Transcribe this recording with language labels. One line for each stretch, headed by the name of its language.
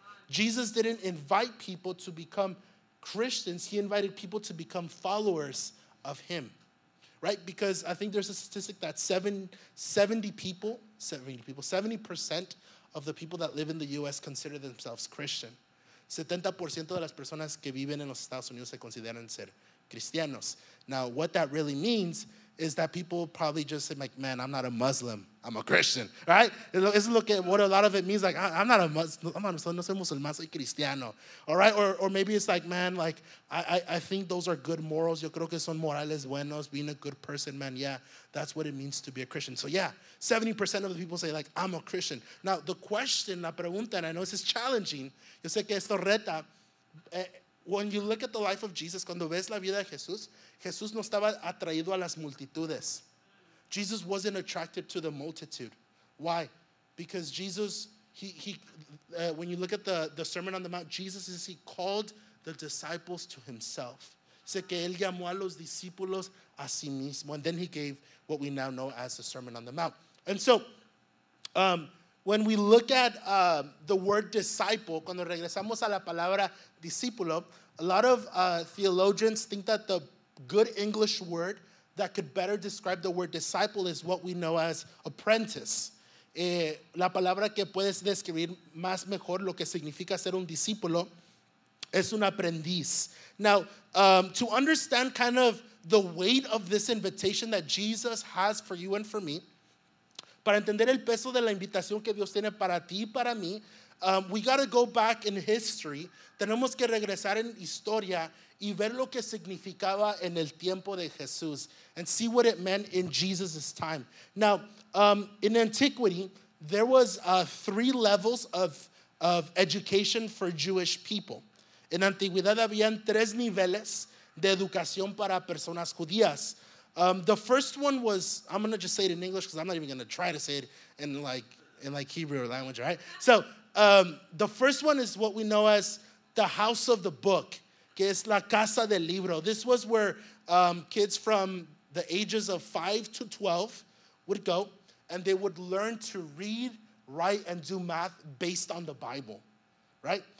English: Jesus didn't invite people to become Christians, he invited people to become followers of him. Right? Because I think there's a statistic that 70% of the people that live in the U.S. consider themselves Christian.
Spanish: 70% de las personas que viven en los Estados Unidos se consideran ser cristianos.
English: Now, what that really means is that people probably just say, like, man, I'm not a Muslim, I'm a Christian, right? This is what a lot of it means, like, I'm not a Muslim,
Spanish: no soy musulman, soy cristiano,
English: all right? Or maybe it's like, man, like, I think those are good morals,
Spanish: yo creo que son morales buenos,
English: being a good person, man, yeah, that's what it means to be a Christian. So yeah, 70% of the people say, like, I'm a Christian. Now, the question,
Spanish: la pregunta,
English: and I know this is challenging,
Spanish: yo sé que esto reta,
English: when you look at the life of Jesus,
Spanish: cuando ves la vida de Jesús, Jesús no estaba atraído a las multitudes.
English: Jesus wasn't attracted to the multitude. Why? Because Jesus, when you look at the Sermon on the Mount, Jesus says he called the disciples to himself.
Spanish: Sé que él llamó a los discípulos a sí mismo.
English: And then he gave what we now know as the Sermon on the Mount. And so, when we look at the word disciple,
Spanish: cuando regresamos a la palabra discípulo,
English: a lot of theologians think that the good English word that could better describe the word disciple is what we know as apprentice.
Spanish: La palabra que puedes describir más mejor lo que significa ser un discípulo es un aprendiz.
English: Now, to understand kind of the weight of this invitation that Jesus has for you and for me,
Spanish: para entender el peso de la invitación que Dios tiene para ti y para mí,
English: we got to go back in history.
Spanish: Tenemos que regresar en historia y ver lo que significaba en el tiempo de Jesús,
English: and see what it meant in Jesus' time. Now, in antiquity, there was 3 levels of education for Jewish people.
Spanish: En antigüedad habían 3 niveles de educación para personas judías.
English: The first one was, I'm going to just say it in English because I'm not even going to try to say it in like Hebrew language, right? So the first one is what we know as the house of the book,
Spanish: que es la casa del libro.
English: This was where kids from the ages of 5 to 12 would go, and they would learn to read, write, and do math based on the Bible, right?